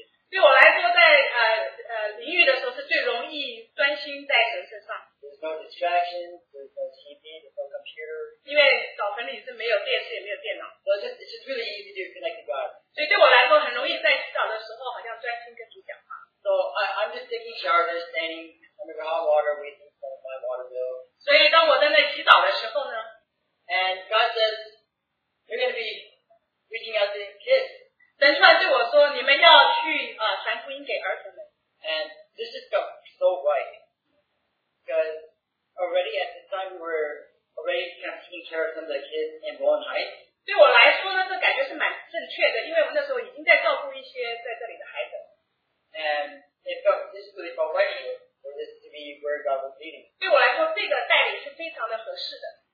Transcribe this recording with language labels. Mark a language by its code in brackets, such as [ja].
[zh] 对我来说，在淋浴的时候是最容易专心在神身上。 [en] There's no distractions, there's no TV, there's no computer. [zh] 因为澡盆里是没有电视，也没有电脑。 [en] So it's just really easy to connect to God. [zh] 所以对我来说，很容易在洗澡的时候，好像专心跟主讲话。 [en] So I'm just taking shower, just standing under the hot water, waiting for my water bill. [zh] 所以当我在那洗澡的时候呢 [en] ，And God says, "You're going to be reaching out to kids." [zh] 神突然对我说：“你们要去传福音给儿童们。” [en] And this is so right, because already at the time we're already kind of taking care of some of the kids in Bowen Heights. [zh] 对我来说呢，这感觉是蛮正确的，因为我那时候已经在照顾一些在这里的孩子。 [en] And it felt this really felt right for this to be where God was leading. [zh] 对我来说，这个带领是非常的合适的。